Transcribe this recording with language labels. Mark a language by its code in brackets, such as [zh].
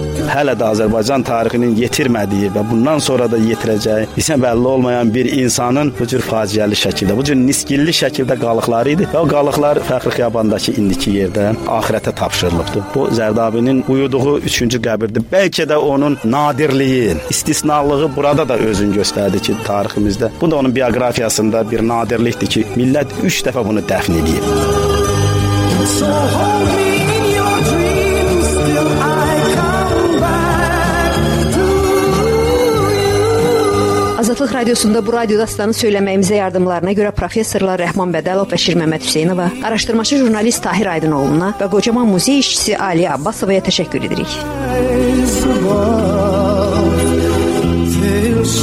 [az] Hələ də Azərbaycan tarixinin yetirmədiyi və bundan sonra da yetirəcəyi isə bəlli olmayan bir insanın bu cür faciəli şəkildə, bu cür niskilli şəkildə qalıqları idi və o qalıqlar Fəxri Xiyabandakı indiki yerdə axirətə tapşırılıbdır. Bu Zərdabinin uyuduğu üçüncü qəbirdir. Bəlkə də onun nadirliyi, istisnalığı burada da özünü göstərdi ki, tariximizdə bu da onun bioqrafiyasında bir nadirlikdir ki, millət 3 dəfə bunu dəfn edib. [en] So hold me in your dreams till I come back to you. [az] Azadlıq Radiosunda bu radio dastanı söyləməyimizə yardımlarına görə professorlar Rəhman Bədəlov və Şir Məhəmməd Hüseynova, araşdırmaçı jurnalist Tahir Aydınoğluna və qocaman muzey işçisi Ali Abbasovaya təşəkkür edirik. Till